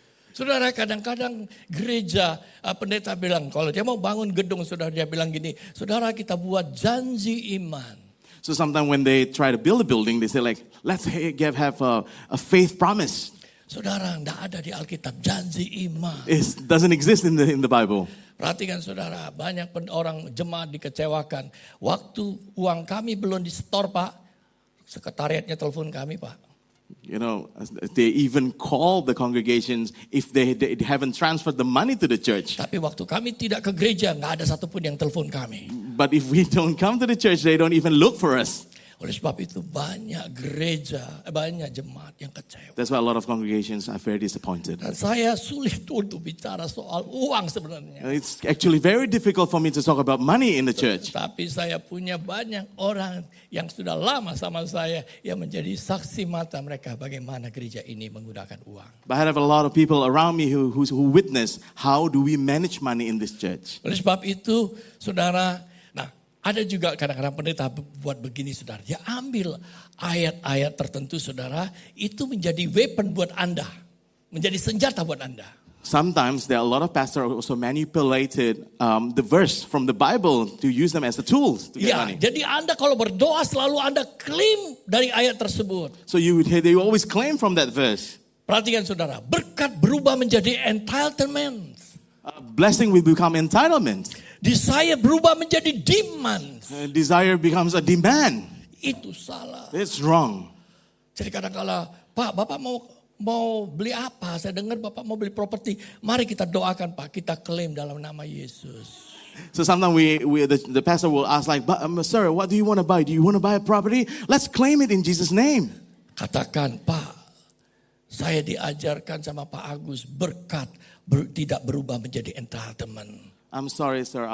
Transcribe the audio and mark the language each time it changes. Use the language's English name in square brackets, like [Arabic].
[Indonesian] Saudara, kadang-kadang gereja, pendeta bilang, kalau dia mau bangun gedung, saudara, dia bilang gini, saudara, kita buat janji iman. [English] So sometimes when they try to build a building, they say like, let's have a faith promise. [Indonesian] Saudara, enggak ada di Alkitab janji iman. [English] It doesn't exist in the Bible. [Indonesian] Perhatikan saudara, banyak orang jemaat dikecewakan. Waktu uang kami belum disetor, Pak, sekretariatnya telepon kami, Pak. [English] You know, they even call the congregations if they haven't transferred the money to the church. [Indonesian] Tapi waktu kami tidak ke gereja, enggak ada satupun yang telepon kami. [English] But if we don't come to the church, they don't even look for us. [Indonesian] Oleh sebab itu banyak gereja, banyak jemaat yang kecewa. [English] That's why a lot of congregations are very disappointed. [Indonesian] Dan saya sulit untuk bicara soal uang sebenarnya. [English] It's actually very difficult for me to talk about money in the church. [Indonesian] Tapi saya punya banyak orang yang sudah lama sama saya yang menjadi saksi mata mereka bagaimana gereja ini menggunakan uang. [English] But I have a lot of people around me who witness how do we manage money in this church. [Indonesian] Oleh sebab itu, saudara, Ada juga kadang-kadang pendeta buat begini saudara. Ya ambil ayat-ayat tertentu saudara. Itu menjadi weapon buat Anda. Menjadi senjata buat Anda. [English] Sometimes there are a lot of pastors also manipulated the verse from the Bible to use them as a tool to get money. [Indonesian] Ya, jadi Anda kalau berdoa selalu Anda claim dari ayat tersebut. [English] So you always claim from that verse. [Indonesian] Perhatikan saudara, berkat berubah menjadi entitlement. [English] Blessing will become entitlement. [Indonesian] Desire berubah menjadi demand. [English] Desire becomes a demand. [Indonesian] Itu salah. [English] It's wrong. [Indonesian] Jadi kadang-kadang, Pak, Bapak mau beli apa? Saya dengar Bapak mau beli properti. Mari kita doakan, Pak. Kita claim dalam nama Yesus. [English] So sometimes the pastor will ask like, sir, what do you want to buy? Do you want to buy a property? Let's claim it in Jesus' name. [Indonesian] Katakan, Pak, saya diajarkan sama Pak Agus berkat tidak berubah menjadi entitlement. [English] I'm sorry, sir.